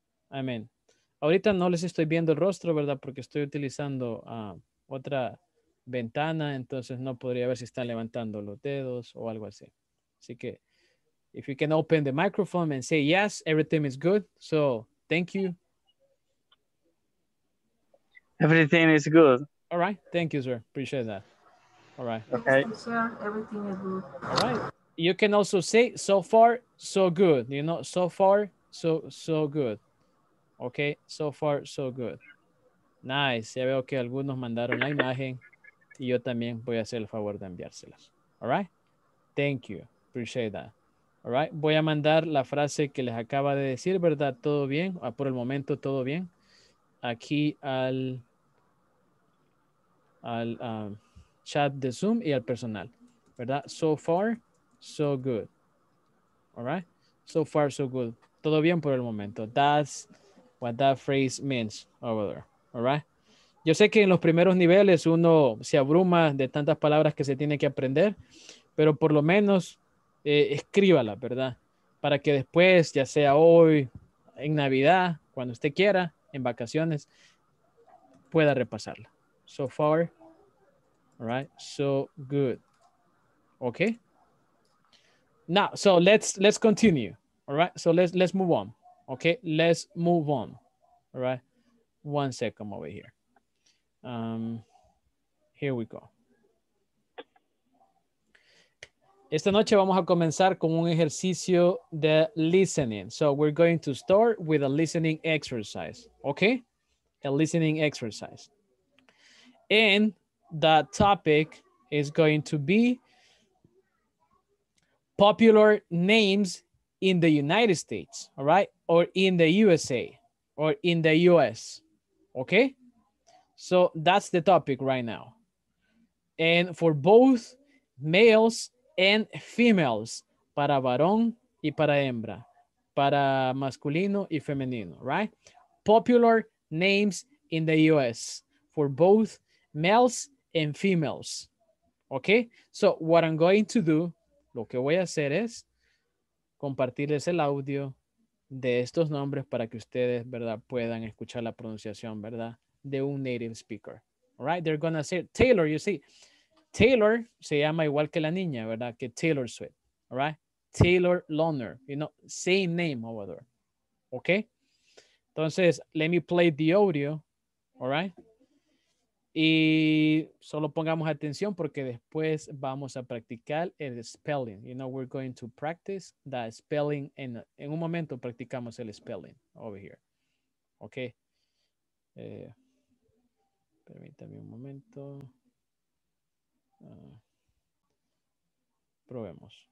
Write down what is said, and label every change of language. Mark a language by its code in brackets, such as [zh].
[en] I mean, [es] ahorita no les estoy viendo el rostro, ¿verdad? Porque estoy utilizando otra ventana. Entonces, no podría ver si están levantando los dedos o algo así. Así que, [en] if you can open the microphone and say yes, everything is good. So, thank you. Everything is good. All right. Thank you, sir. Appreciate that. All right. Okay. Everything is good. All right. You can also say, so far, so good. You know, so far, so good. Okay, so far, so good. Nice. [es] Ya veo que algunos mandaron la imagen y yo también voy a hacer el favor de enviárselas. [en] All right? Thank you. Appreciate that. All right? [es] Voy a mandar la frase que les acaba de decir, ¿verdad? Todo bien. Por el momento, todo bien. Aquí al chat de Zoom y al personal. [en] ¿Verdad? So far, so good. All right? So far, so good. [es] Todo bien por el momento. [en] That's what that phrase means over there, all right? [es] Yo sé que en los primeros niveles uno se abruma de tantas palabras que se tiene que aprender, pero por lo menos escríbala, ¿verdad? Para que después, ya sea hoy, en Navidad, cuando usted quiera, en vacaciones, pueda repasarla. [en] So far, all right? So good. Okay? Now, so let's continue, all right? So let's move on. Okay, let's move on. All right, one second over here. Here we go. [es] Esta noche vamos a comenzar con un ejercicio de listening. [en] So we're going to start with a listening exercise. Okay, a listening exercise. And the topic is going to be popular names in the United States, all right? Or in the USA, or in the US, okay? So that's the topic right now. And for both males and females, [es] para varón y para hembra, para masculino y femenino, [en] right? Popular names in the US for both males and females, okay? So what I'm going to do, [es] lo que voy a hacer es, compartirles el audio de estos nombres para que ustedes, ¿verdad?, puedan escuchar la pronunciación, ¿verdad?, de un native speaker. [en] All right, they're going to say Taylor, you see. [es] Taylor se llama igual que la niña, ¿verdad?, que Taylor Swift. [en] All right? Taylor Lautner, you know, same name over there. Okay? [es] Entonces, [en] let me play the audio. All right? [es] Y solo pongamos atención porque después vamos a practicar el spelling. [en] You know, we're going to practice the spelling. [es] En un momento practicamos el spelling [en] over here. Okay. [es] Permítame un momento. Probemos.